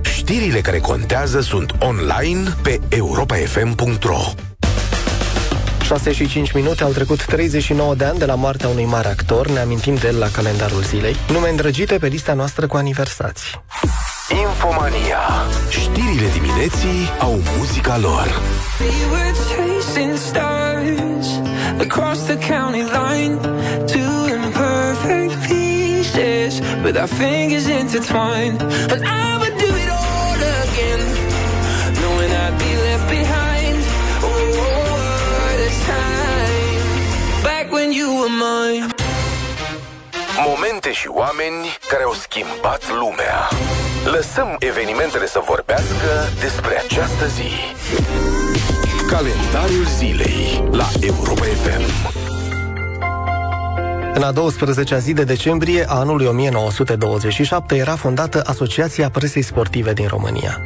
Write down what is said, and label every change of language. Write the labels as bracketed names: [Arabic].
[Romanian] Știrile care contează sunt online pe europafm.ro. 6:05 minute, au trecut 39 de ani de la moartea unui mare actor, ne amintim de el la calendarul zilei. Nume îndrăgite pe lista noastră cu aniversați. Infomania. Știrile dimineții au muzica lor. [English] We were chasing stars across the county line, two imperfect pieces with our fingers intertwined, and I would do it all again knowing I'd be left behind. Oh, what a time back when you were mine. [Romanian] Momente și oameni care au schimbat lumea. Lăsăm evenimentele să vorbească despre această zi. Calendarul zilei la Europa FM. În a 12-a zi de decembrie a anului 1927 era fondată Asociația Presei Sportive din România.